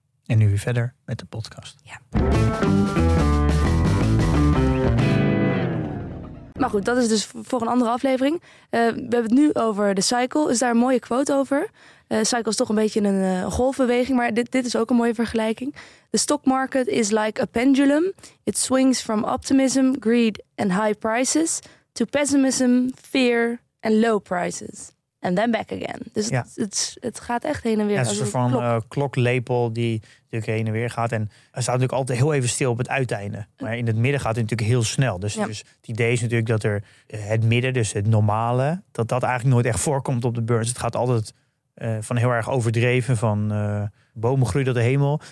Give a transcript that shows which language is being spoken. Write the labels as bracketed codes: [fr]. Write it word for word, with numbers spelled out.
[nl] En nu weer verder met de podcast. Ja. Maar goed, dat is dus voor een andere aflevering. Uh, we hebben het nu over de cycle. Is daar een mooie quote over? Uh, cycle is toch een beetje een uh, golfbeweging, maar dit, dit is ook een mooie vergelijking. [en] The stock market is like a pendulum. It swings from optimism, greed and high prices... to pessimism, fear and low prices. And then back again. [nl] Dus ja. het, het, het gaat echt heen en weer. Ja, het is een soort van uh, kloklepel die natuurlijk heen en weer gaat. En hij staat natuurlijk altijd heel even stil op het uiteinde. Maar in het midden gaat het natuurlijk heel snel. Dus, ja. dus het idee is natuurlijk dat er het midden, dus het normale... dat dat eigenlijk nooit echt voorkomt op de beurs. Het gaat altijd uh, van heel erg overdreven, van uh, bomen groeien tot de hemel.